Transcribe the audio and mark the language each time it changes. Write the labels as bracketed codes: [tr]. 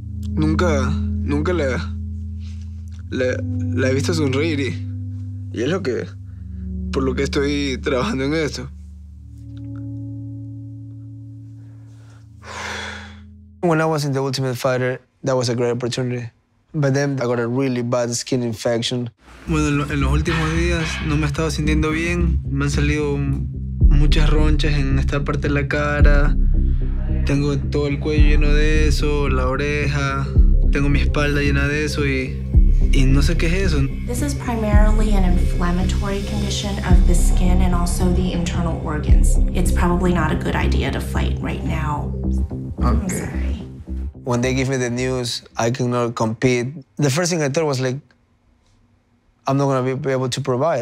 [es] Nunca la he visto sonreír y es lo que, por lo que estoy trabajando en esto. [en] When I was in the Ultimate Fighter, that was a great opportunity. But then I got a really bad skin infection. [es] Bueno, en los últimos días no me he estado sintiendo bien. Me han salido muchas ronchas en esta parte de la cara. Tengo todo el cuello lleno de eso, la oreja. Tengo mi espalda llena de eso y no sé qué es eso. [en] This is primarily an inflammatory condition of the skin and also the internal organs. It's probably not a good idea to fight right now. Okay. Sorry. When they give me the news, I cannot compete. The first thing I thought was like, I'm not gonna be able to provide.